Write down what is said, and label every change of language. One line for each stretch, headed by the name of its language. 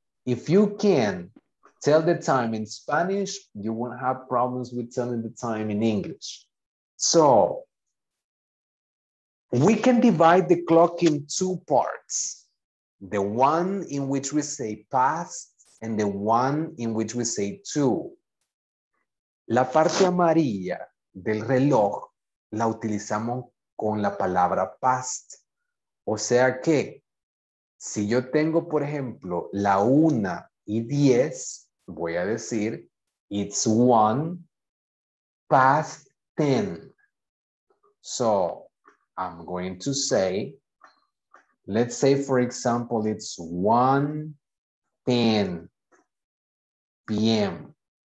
English: If you can tell the time in Spanish, you won't have problems with telling the time in English. So we can divide the clock in two parts. The one in which we say past and the one in which we say two.
Spanish: La parte amarilla del reloj la utilizamos con la palabra past. O sea que, si yo tengo, por ejemplo, la 1:10, voy a decir,
English: It's 1:10. So I'm going to say, let's say for example, it's 1:10 p.m.